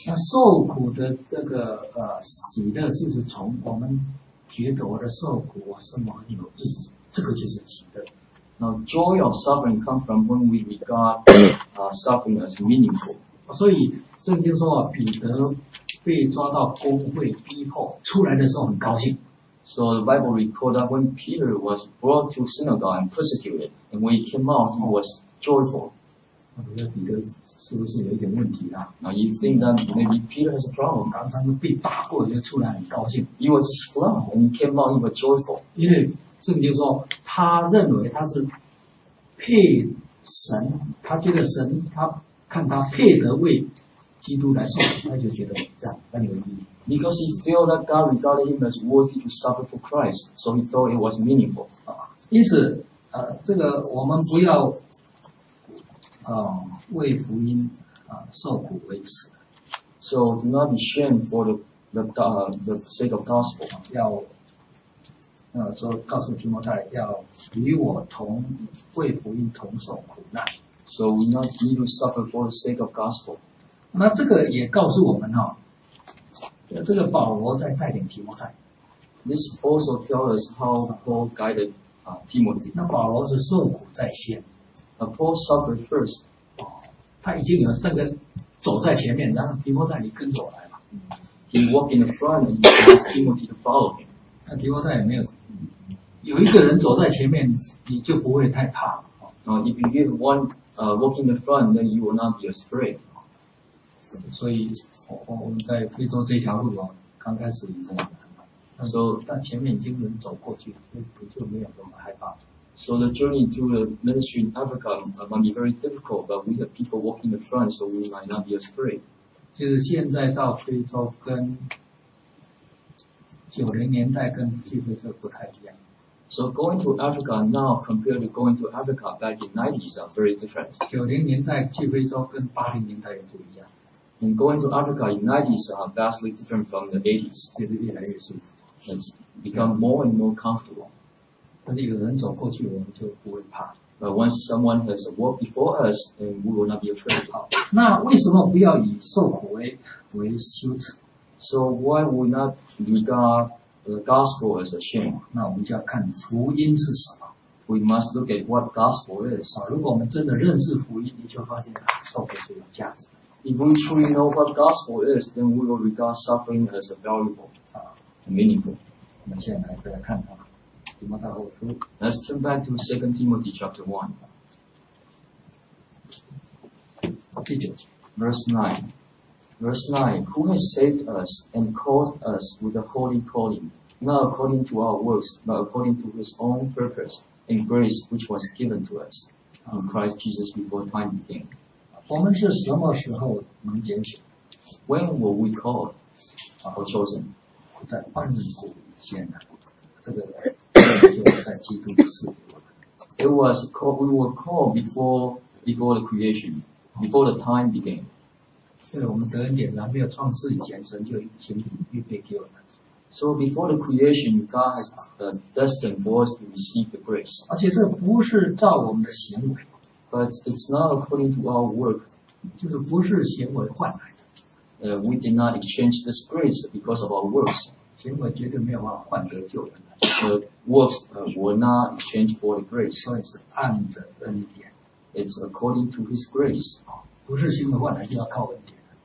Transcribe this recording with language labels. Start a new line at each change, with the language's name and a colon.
Chinese: 那受苦的这个喜乐就是从我们觉得我的受苦，我是蒙恩有义，这个就是喜乐。
English: Now joy of suffering comes from when we regard suffering as meaningful.
Chinese: 所以圣经说，彼得被抓到公会逼迫，出来的时候很高兴。
English: So the Bible records that when Peter was brought to synagogue and persecuted, and when he came out, he was joyful.
Chinese: 我觉得彼得是不是有一点问题啊？
English: Now you think that maybe Peter has a problem.
Chinese: 刚刚被打破就出来很高兴。
English: He was just flung and he came out, he was joyful.
Chinese: 因为圣经说他认为他是配神，他觉得神他看他配得为基督来受苦，他就觉得这样很有意义。
English: Because he felt that God regarded him as worthy to suffer for Christ, so he thought it was meaningful.
Chinese: 因此这个我们不要为福音受苦为耻。
English: So do not be ashamed for the sake of gospel.
Chinese: 要说告诉提摩太要与我同为福音同受苦难。
English: So we not need to suffer for the sake of gospel.
Chinese: 那这个也告诉我们这个保罗在带领提摩太。
English: This also tells us how Paul guided Timothy.
Chinese: 那保罗是受苦在先。
English: A Paul suffered first.
Chinese: 他已经有那个走在前面，然后提摩太你跟着我来吧。
English: He walked in the front and he asked Timothy to follow him.
Chinese: 那提摩太也没有，有一个人走在前面，你就不会太怕了。
English: If you have one walk in the front, then you will not be afraid.
Chinese: 所以我们在非洲这条路刚开始已经很难。但前面已经能走过去，就没有那么害怕。
English: So the journey to the ministry in Africa might be very difficult, but we have people walking in front, so we might not be afraid.
Chinese: 就是现在到非洲跟90年代跟去非洲不太一样。
English: So going to Africa now compared to going to Africa back in '90s are very different.
Chinese: 90年代 去非洲跟80年代又不一样。
English: And going to Africa in '90s are vastly different from the '80s.
Chinese: 越来越舒服。
English: It's become more and more comfortable.
Chinese: 但是有人走过去，我们就不会怕。
English: But once someone has walked before us, then we will not be afraid.
Chinese: 好，那为什么不要以受苦为 suit?
English: So why would not regard the gospel as a shame?
Chinese: 那我们就要看福音是什么。
English: We must look at what gospel is.
Chinese: 如果我们真的认识福音，你就发现受苦是有价值。
English: If we truly know what gospel is, then we will regard suffering as a valuable, meaningful.
Chinese: 我们现在来看看。
English: Let's turn back to 2 Timothy chapter 1.
Chinese: 第九节
English: Verse 9. Who has saved us and called us with a holy calling, not according to our works, but according to his own purpose and grace which was given to us in Christ Jesus before time began.
Chinese: 我们是什么时候能拣选
English: When were we called or chosen?
Chinese: 在万古以前这个
English: It was called, we were called before the creation, before the time began.
Chinese: 对我们得恩典，还没有创世以前，神就先预备给我们。
English: So before the creation, God has destined for us to receive the grace.
Chinese: 而且这不是照我们的行为。
English: But it's not according to our work.
Chinese: 就是不是行为换来的。
English: We did not exchange this grace because of our works.
Chinese: 行为绝对没有办法换得救恩。
English: The works were not exchanged for the grace.
Chinese: 所以是按着恩典。
English: It's according to his grace.
Chinese: 不是行为换来，就要靠恩典。